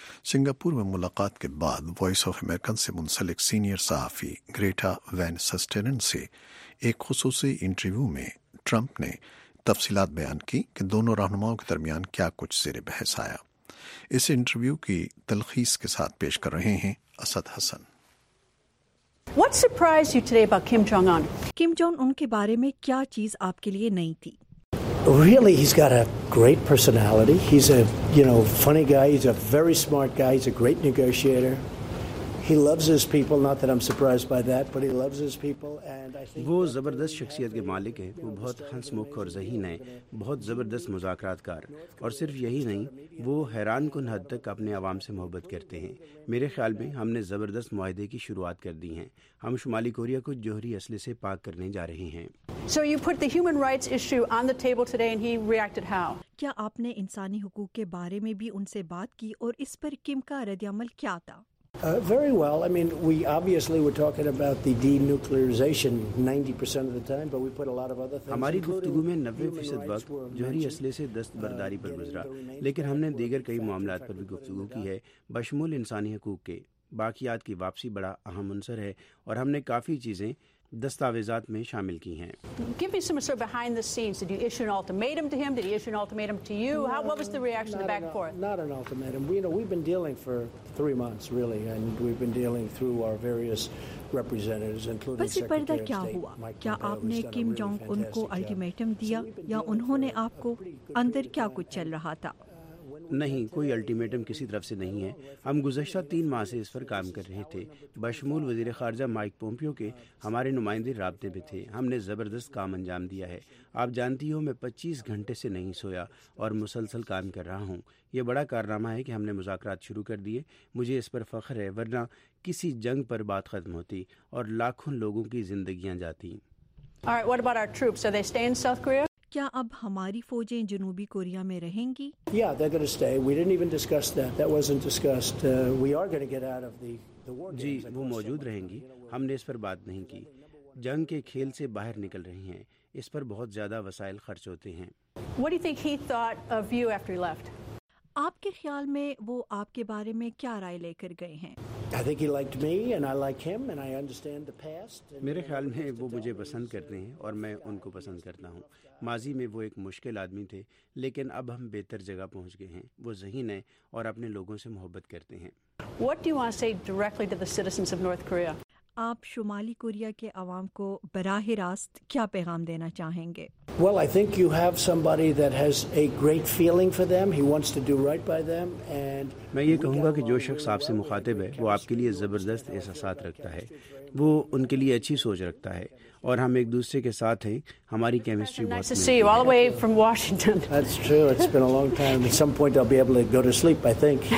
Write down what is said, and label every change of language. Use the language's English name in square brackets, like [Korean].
[Urdu] Singapore میں ملاقات کے بعد وائس آف امریکن سے منسلک سینئر صحافی گریٹا وین سسٹرن سے ایک خصوصی انٹرویو میں ٹرمپ نے تفصیلات بیان کی کہ دونوں رہنماؤں کے درمیان کیا کچھ زیر بحث آیا۔ اس انٹرویو کی تلخیص کے ساتھ پیش کر رہے ہیں اسد حسن. [English] What surprised you today about Kim Jong-un? [Urdu] Kim Jong-un کے بارے میں کیا چیز آپ کے لیے نئی تھی؟ [English] Really, he's got a great personality. He's a, you know, funny guy. He's a very smart guy. He's a great negotiator. He loves his people. Not that I'm surprised by that, but he loves his people. And I think [Urdu] وہ زبردست شخصیت کے مالک ہیں. وہ بہت ہنس مکھ اور ذہین ہیں. بہت زبردست مذاکرات کار. اور صرف یہی نہیں, وہ حیران کن حد تک اپنے عوام سے محبت کرتے ہیں. میرے خیال میں ہم نے زبردست معاہدے کی شروعات کر دی ہیں. ہم شمالی کوریا کو جوہری اسلحے سے پاک کرنے جا رہے ہیں. [English] So you put the human rights issue on the table today and he reacted how? [Urdu] کیا آپ نے انسانی حقوق کے بارے میں بھی ان سے بات کی اور اس پر کم کا رد عمل کیا تھا؟ [English] Very well. I mean, we obviously were talking about the denuclearization 90% of the time, but we put a lot of other things. [Urdu] ہماری گفتگو میں 90% وقت جوہری اسلحے سے دستبرداری پر گزرا, لیکن ہم نے دیگر کئی معاملات پر بھی گفتگو کی ہے, بشمول انسانی حقوق کے. باقیات کی واپسی بڑا اہم عنصر ہے اور ہم نے کافی چیزیں دستاویزات میں شامل کی ہیں. [English] Give me some sort of behind the scenes. Did you issue an ultimatum to him? Did he issue an ultimatum to you? How, what was the reaction to back and forth? Not an ultimatum. We, you know, we've been dealing for 3 months, really, and we've been dealing through our various representatives, including Secretary of State. [Urdu] کیا ہوا؟ کیا آپ نے Kim Jong Un کو ultimatum دیا یا انہوں نے آپ کو؟ اندر کیا کچھ چل رہا تھا؟ نہیں, کوئی الٹیمیٹم کسی طرف سے نہیں ہے. ہم گزشتہ 3 ماہ سے اس پر کام کر رہے تھے, بشمول وزیر خارجہ مائک پومپیو کے ہمارے نمائندے رابطے میں تھے. ہم نے زبردست کام انجام دیا ہے. آپ جانتی ہو, میں 25 گھنٹے سے نہیں سویا اور مسلسل کام کر رہا ہوں. یہ بڑا کارنامہ ہے کہ ہم نے مذاکرات شروع کر دیے. مجھے اس پر فخر ہے, ورنہ کسی جنگ پر بات ختم ہوتی اور لاکھوں لوگوں کی زندگیاں جاتی. کیا اب ہماری فوجیں جنوبی کوریا میں رہیں گی؟ [English] Yeah, they're going to stay. We didn't even discuss that. That wasn't discussed. We are going to get out of the war games. [Urdu] جی, وہ موجود رہیں گی. ہم نے اس پر بات نہیں کی. جنگ کے کھیل سے باہر نکل رہی ہیں. اس پر بہت زیادہ وسائل خرچ ہوتے ہیں. [English] What do you think he thought of you after he left? [Urdu] آپ کے خیال میں وہ آپ کے بارے میں کیا رائے لے کر گئے ہیں؟ [English] I think he liked me and I like him and I understand the past. [Urdu] میرے خیال میں وہ مجھے پسند کرتے ہیں اور میں ان کو پسند کرتا ہوں. ماضی میں وہ ایک مشکل آدمی تھے, لیکن اب ہم بہتر جگہ پہنچ گئے ہیں. وہ ذہین ہیں اور اپنے لوگوں سے محبت کرتے ہیں. [English] What do you want to say directly to the citizens of North Korea? [Urdu] آپ شمالی کوریا کے عوام کو براہ راست کیا پیغام دینا چاہیں گے؟ [English] Well, I think you have somebody that has a great feeling for them. He wants to do right by them. And [Urdu] میں یہ کہوں گا کہ جو شخص آپ سے مخاطب ہے, وہ آپ کے لیے زبردست احساسات رکھتا ہے. وہ ان کے لیے اچھی سوچ رکھتا ہے اور ہم ایک دوسرے کے ساتھ ہیں. ہماری کیمسٹری بہت اچھی ہے. [English] All the way from Washington. That's true. It's been a long time. At some point I'll be able to go to sleep, I think.